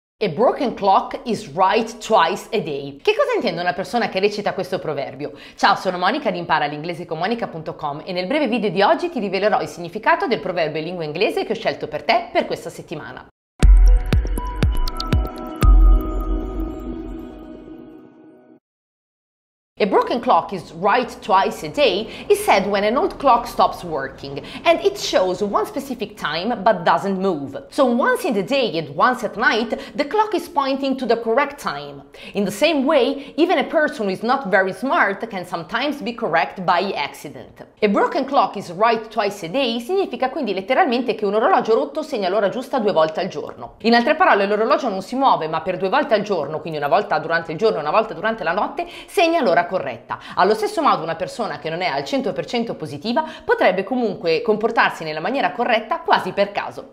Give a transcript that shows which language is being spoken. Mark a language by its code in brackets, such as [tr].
[en] A broken clock is right twice a day. [it] Che cosa intende una persona che recita questo proverbio? Ciao, sono Monica di Impara l'inglese con monica.com e nel breve video di oggi ti rivelerò il significato del proverbio in lingua inglese che ho scelto per te per questa settimana. [en] A broken clock is right twice a day is said when an old clock stops working and it shows one specific time but doesn't move. So once in the day and once at night, the clock is pointing to the correct time. In the same way, even a person who is not very smart can sometimes be correct by accident. A broken clock is right twice a day [it] significa quindi letteralmente che un orologio rotto segna l'ora giusta due volte al giorno. In altre parole, l'orologio non si muove ma per due volte al giorno, quindi una volta durante il giorno e una volta durante la notte, segna l'ora corretta. Allo stesso modo una persona che non è al 100% positiva potrebbe comunque comportarsi nella maniera corretta quasi per caso.